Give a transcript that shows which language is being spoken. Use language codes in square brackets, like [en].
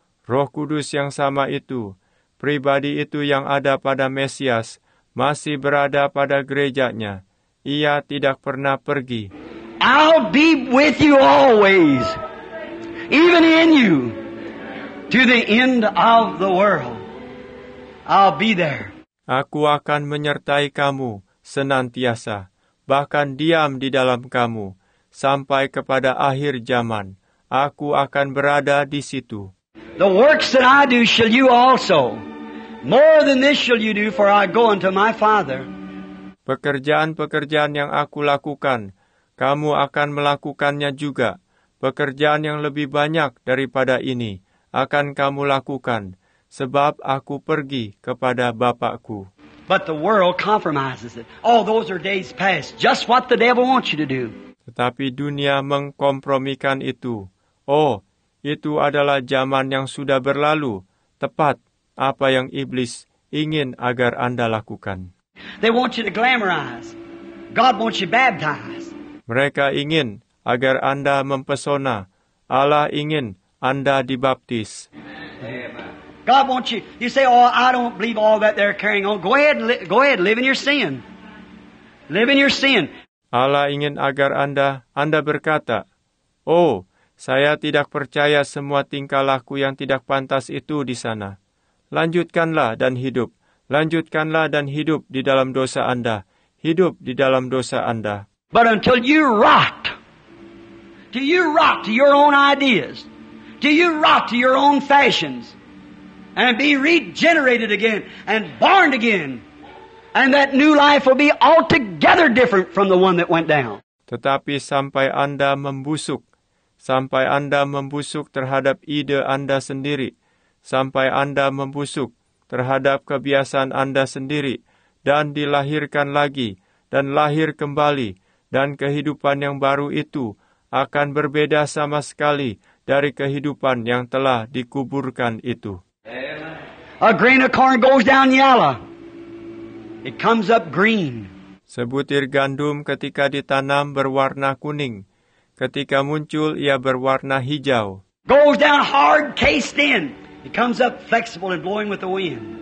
[id] Roh Kudus yang sama itu, pribadi itu yang ada pada Mesias, masih berada pada gerejanya. Ia tidak pernah pergi. [en] I'll be with you always, even in you, to the end of the world. I'll be there. [id] Aku akan menyertai kamu senantiasa, bahkan diam di dalam kamu, sampai kepada akhir zaman. Aku akan berada di situ. [en] The works that I do shall you also. More than this shall you do, for I go unto my Father. [id] Pekerjaan-pekerjaan yang aku lakukan, kamu akan melakukannya juga. Pekerjaan yang lebih banyak daripada ini akan kamu lakukan, sebab aku pergi kepada Bapa-Ku. [en] But the world compromises it. Oh, those are days past. Just what the devil wants you to do. [id] Tetapi dunia mengkompromikan itu. Oh, itu adalah zaman yang sudah berlalu. Tepat. Apa yang iblis ingin agar Anda lakukan? [en] They want you to glamorize. God wants you baptized. [id] Mereka ingin agar Anda mempesona. Allah ingin Anda dibaptis. [en] God wants you. You say, "Oh, I don't believe all that they're carrying on." Go ahead, live in your sin. Live in your sin. [id] Allah ingin agar Anda berkata, "Oh, saya tidak percaya semua tingkah laku yang tidak pantas itu di sana. Lanjutkanlah dan hidup. Lanjutkanlah dan hidup di dalam dosa Anda. Hidup di dalam dosa Anda." [en] But until you rot, till you rot to your own ideas, till you rot to your own fashions, and be regenerated again and born again, and that new life will be altogether different from the one that went down. [id] Tetapi sampai Anda membusuk, sampai Anda membusuk terhadap ide Anda sendiri, sampai Anda membusuk terhadap kebiasaan Anda sendiri, dan dilahirkan lagi, dan lahir kembali, dan kehidupan yang baru itu akan berbeda sama sekali dari kehidupan yang telah dikuburkan itu. [en] A grain of corn goes down yellow. It comes up green. [id] Sebutir gandum ketika ditanam berwarna kuning. Ketika muncul, ia berwarna hijau. [en] Goes down hard, cased in. It comes up flexible and blowing with the wind.